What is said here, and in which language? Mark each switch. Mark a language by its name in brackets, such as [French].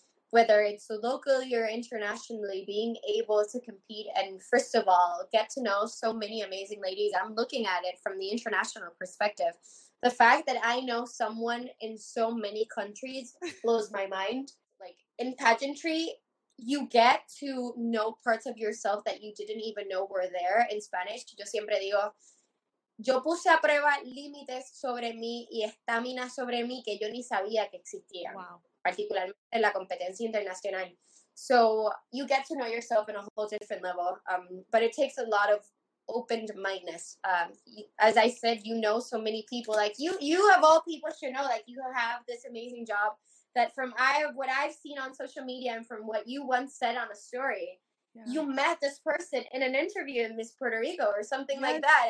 [English] Whether it's locally or internationally, being able to compete and, first of all, get to know so many amazing ladies. I'm looking at it from the international perspective. The fact that I know someone in so many countries blows my mind. Like, in pageantry, you get to know parts of yourself that you didn't even know were there. In Spanish, [Spanish] yo siempre digo, yo puse a prueba límites sobre mí y estamina sobre mí que yo ni sabía que existía. [English] Wow. [Spanish] Particularmente en la competencia internacional. [English] So you get to know yourself in a whole different level. But it takes a lot of open-mindedness. As I said, you know so many people. Like, you of all people should know, like, you have this amazing job. That from what I've seen on social media and from what you once said on a story, you met this person in an interview in Miss Puerto Rico or something like that.